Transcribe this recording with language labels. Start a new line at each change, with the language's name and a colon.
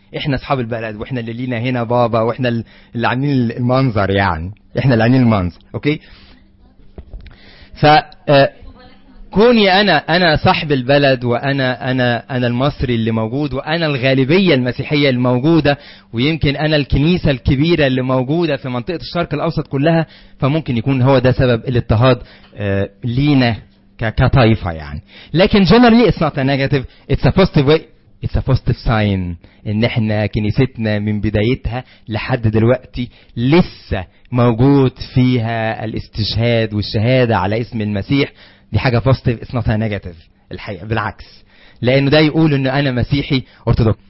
Arabic: إحنا أصحاب البلد، وإحنا اللي لينا هنا بابا، وإحنا اللي عاملين المنظر، يعني إحنا اللي عاملين المنظر، أوكي؟ فكوني أنا صاحب البلد، وأنا المصري اللي موجود، وأنا الغالبية المسيحية الموجودة، ويمكن أنا الكنيسة الكبيرة اللي موجودة في منطقة الشرق الأوسط كلها، فممكن يكون هو ده سبب الاضطهاد لينا كطائفة يعني. لكن
English: generally it's not a negative, it's a positive way. It's a positive sign
Arabic: إن إحنا كنيستنا من بدايتها لحد دلوقتي لسه موجود فيها الاستشهاد والشهادة على اسم المسيح. دي حاجة
English: positive, it's not a negative
Arabic: الحقيقة، بالعكس، لأنه ده يقول إنه أنا مسيحي أرثوذكس.